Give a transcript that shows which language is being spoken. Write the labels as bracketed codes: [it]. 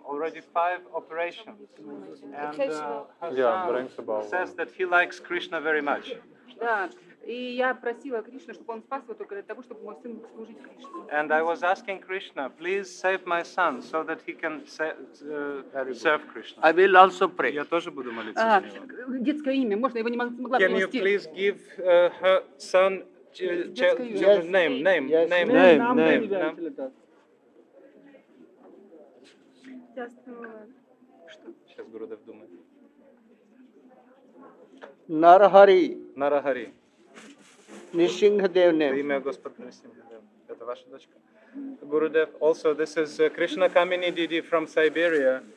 [en] Already 5 operations, and her son says that he likes Krishna very much. [ru] И я просила Кришну, чтобы он спас его только для того, чтобы мой сын мог служить Кришне. [en] And I was asking Krishna, please save my son, so that he can serve Krishna. I will also pray. [ru] Я тоже буду молиться за него. Детское имя, можно? Я его не могла принести. [en] Can you please give her son name. [ru] Сейчас Гурудев думает. Нарахари. Нарахари. Нисингхадевне. Имя Господа Нисингхадевне. Это ваша дочка. Гурудев. [en] Also, this is Krishna Kamini Didi from Siberia.